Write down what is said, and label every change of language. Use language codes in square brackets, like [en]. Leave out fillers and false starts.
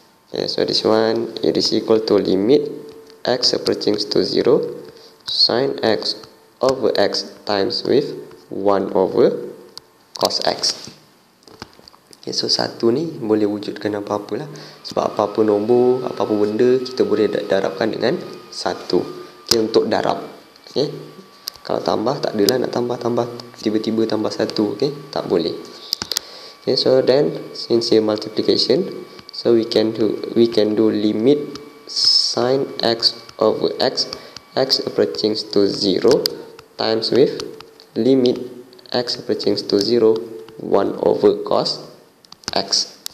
[en] Okay. Okay, so this one, it is equal to limit x approaching to 0 sin x over x times with 1 over cos x. [ms] Okay, so satu ni boleh wujudkan apa-apa lah. Sebab apa-apa nombor, apa-apa benda, kita boleh darabkan dengan satu. Okay, untuk darab, okay? Kalau tambah, tak adalah nak tambah-tambah, tiba-tiba tambah satu, okay? Tak boleh. [en] Okay, so then since here multiplication, so we can do limit sin x over x, x approaching to 0 times with limit x approaching to 0 1 over cos x.